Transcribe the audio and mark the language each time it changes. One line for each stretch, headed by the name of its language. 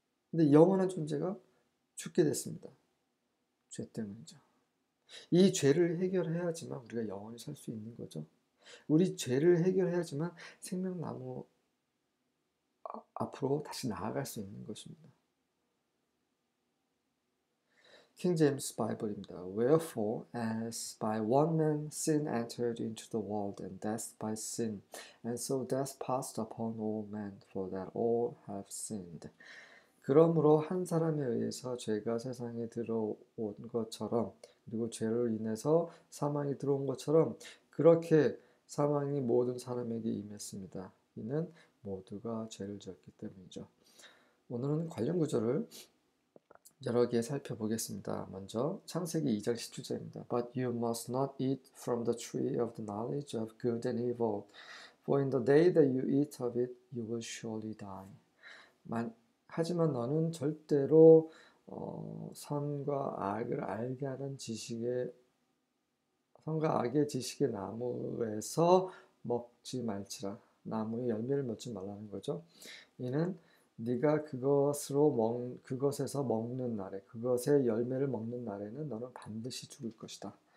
Korean: 근데 영원한 존재가 죽게 됐습니다. 죄 때문이죠. 이 죄를 해결해야지만 우리가 영원히 살수 있는 거죠. 우리 죄를 해결해야지만 생명나무 앞으로 다시 나아갈 수 있는 것입니다. King James Bible입니다.
English: Wherefore, as by one man sin entered into the world, and death by sin, and so death passed upon all men, for that all have sinned.
Korean: 그러므로 한 사람에 의해서 죄가 세상에 들어온 것처럼, 그리고 죄로 인해서 사망이 들어온 것처럼, 그렇게 사망이 모든 사람에게 임했습니다. 이는 모두가 죄를 지었기 때문이죠. 오늘은 관련 구절을 여러 개 살펴보겠습니다. 먼저 창세기 2장 17절입니다.
English: But you must not eat from the tree of the knowledge of good and evil, for in the day that you eat of it, you will surely die.
Korean: 하지만 너는 절대로 선과 악을 알게 하는 지식의 선과 악의 지식의 나무에서 먹지 말지라. 나무의 열매를 먹지 말라는 거죠. 이는 네가 그것에서 먹는 날에, 그것의 열매를 먹는 날에는 너는 반드시 죽을 것이다.